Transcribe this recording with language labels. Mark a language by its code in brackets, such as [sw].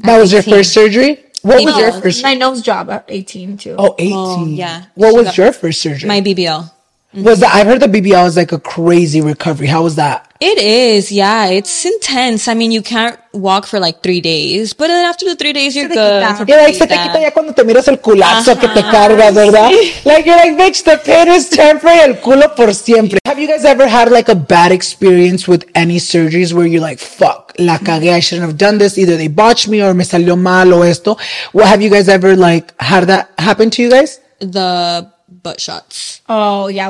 [en] That was your first surgery? What was your first surgery? My nose job at 18, too. Oh, 18. Well, yeah. What was your first surgery? My BBL. Mm-hmm. I've heard the BBL is like a crazy recovery. How was that? It is, yeah. It's intense. I mean, you can't walk for like 3 days, but then after the 3 days, you're good. [es] Yeah, like, se te quita ya cuando te miras el culazo que te cargas, ¿verdad? [en] Like, you're like, bitch, the pain is temporary, [es] el culo por siempre. [en] Have you guys ever had like a bad experience with any surgeries where you're like, fuck, [es] la cagué, [en] I shouldn't have done this. Either they botched me or [es] me salió mal o esto. [en] What have you guys ever like, had that happen to you guys? The butt shots. Oh, yeah.